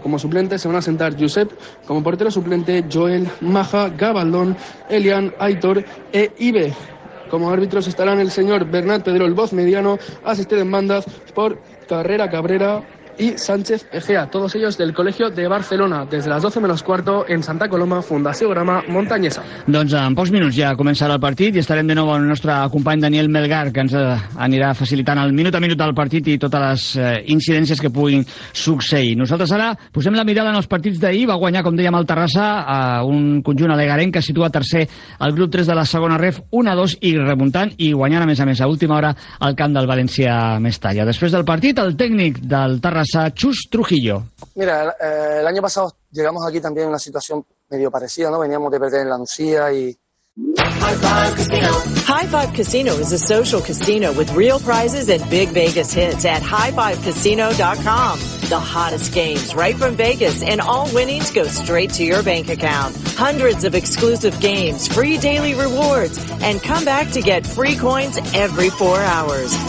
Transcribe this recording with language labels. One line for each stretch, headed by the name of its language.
Spanish: Como suplente se van a sentar Josep, como portero suplente Joel, Maja, Gabaldón, Elian, Aitor e Ibe. Como árbitros estarán el señor Bernat Pedrol, voz mediano, asistido en bandas por Carrera Cabrera y Sánchez Egea, todos ellos del Colegio de Barcelona, desde las 12 menos cuarto en Santa Coloma, Fundació Grama Montañesa.
Catalan: Doncs en pocs minuts ja començarà el partit i estarem de nou amb el nostre company Daniel Melgar, que ens anirà facilitant el minut a minut del partit i totes les incidències que puguin succeir. Nosaltres ara posem la mirada en els partits d'ahir. Va guanyar, com dèiem, el Terrassa, a un conjunt alegarenc que situa tercer al grup 3 de la segona ref, 1-2 i remuntant, i guanyant a més a última hora al camp del València Mestalla. Després del partit, el tècnic del Terrassa, Chus Trujillo.
Spanish: Mira, el año pasado llegamos aquí también en una situación medio parecida, ¿no? Veníamos de perder en la Nucía y...
English: High Five Casino is a social casino with real prizes and big Vegas hits at highfivecasino.com. The hottest games right from Vegas and all winnings go straight to your bank account. Hundreds of exclusive games, free daily rewards, and come back to get free coins every 4 hours.